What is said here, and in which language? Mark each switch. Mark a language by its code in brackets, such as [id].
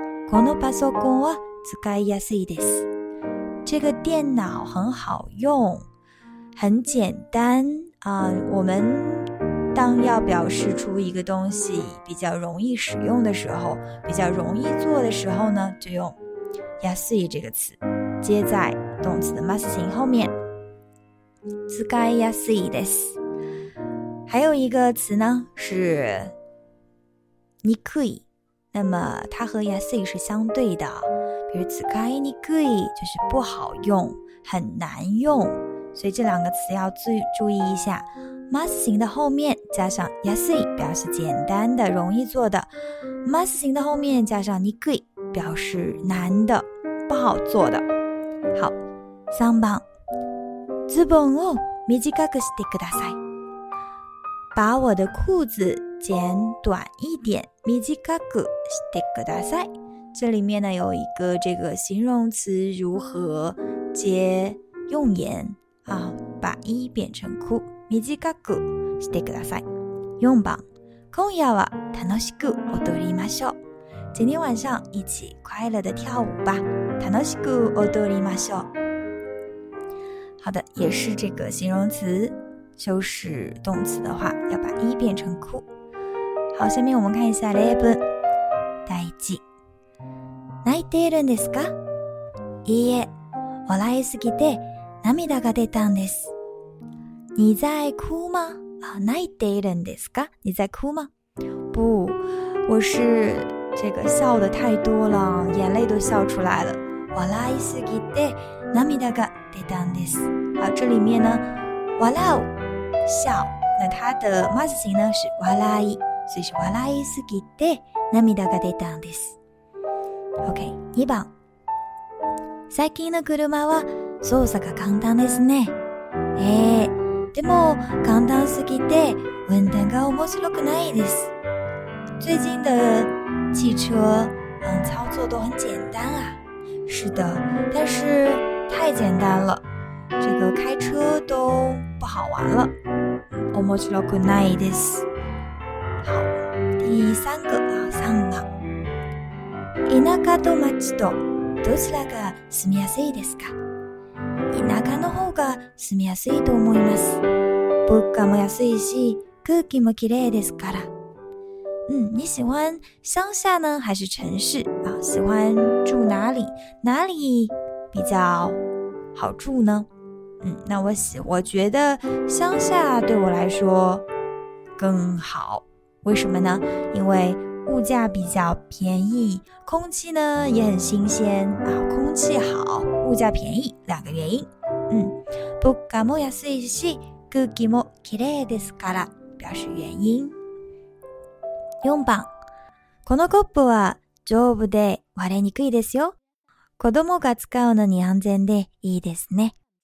[ja] このパソコンは使いやすいです。 [zh] 这个电脑很好用，很简单啊。我们当要表示出一个东西比较容易使用的时候，比较容易做的时候呢，就用やすい这个词。接在动词的ます形后面，使いやすいです。还有一个词呢是にくい，那么它和やすい是相对的，比如使いにくい就是不好用，很难用，所以这两个词要注意一下。ます形的后面加上やすい表示简单的、容易做的，ます形的后面加上にくい表示难的、不好做的。好，3番。 [ja] ズボンを短くしてください。 [zh] 把我的裤子剪短一点。 [ja] 短くしてください。 [zh] 这里面呢有一个这个形容词如何接用言啊，把衣变成裤。 [ja] 短くしてください。4番。今夜は楽しく踊りましょう。 [zh] 今天晚上一起快乐的跳舞吧。 [ja] 楽しく踊りましょう。 [zh] 好的，也是这个形容词，修饰动词的话，要把一变成哭。好，下面我们看一下例文。 [ja] 第一，泣いているんですか？いいえ、笑いすぎて涙が出たんです。 [zh] 你在哭吗？ [ja] 啊，泣いているんですか？ [zh] 你在哭吗？不，我是这个笑的太多了，眼泪都笑出来了。 [ja] 笑いすぎて涙が出たんです。 [zh] 好，这里面呢，笑，笑，那它的ます 形呢是笑い，所以是 [ja] 笑いすぎて涙が出たんです。 OK， 二番。最近の車は操作が簡単ですね。でも簡単すぎて運転が面白くないです。 [zh] 最近的汽车操作都很简单啊。是的，但是太简单了，这个开车都不好玩了。 [ja] 面白くないです。 [zh] 好，第三个啊，三番。 [ja] 田舎と町とどちらが住みやすいですか？田舎の方が住みやすいと思います。物価も安いし、空気もきれいですから。 [zh] 你喜欢乡下呢还是城市啊？喜欢住哪里，哪里比较好住呢？那我觉得乡下对我来说更好。为什么呢？因为物价比较便宜，空气呢也很新鲜啊，空气好，物价便宜，两个原因。 [ja] 物価も安いし空気もきれいですから [zh] 表示原因。 [ja] 4番。このコップは丈夫で割れにくいですよ。子供が使うのに安全でいいですね。